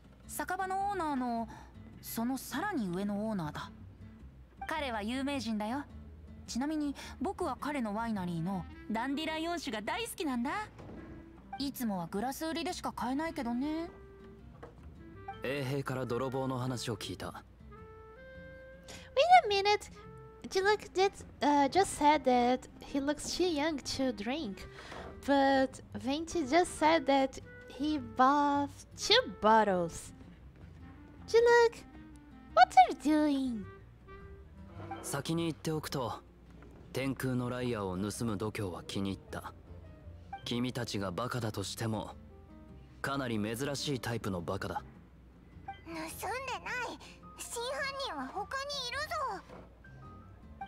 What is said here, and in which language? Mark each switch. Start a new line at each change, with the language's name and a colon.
Japanese: 酒場のオーナーのそのさらに上のオーナーだ。彼は有名人だよ。ちなみに僕は彼のワイナリーのダンディライオン酒が大好きなんだ。いつもはグラス売りでしか買えないけどね。衛兵から泥棒の話を聞いた。
English: Wait a minute. Diluc did just said that he looks too young to drink, but Venti just said that he bought two bottles. Diluc, what are you doing?
Japanese: 先に言っておくと、天空のライアーを盗む度胸は気に入った。君たちがバカだとしてもかなり珍しいタイプのバカだ。盗んでない。真犯人は他にいるぞ。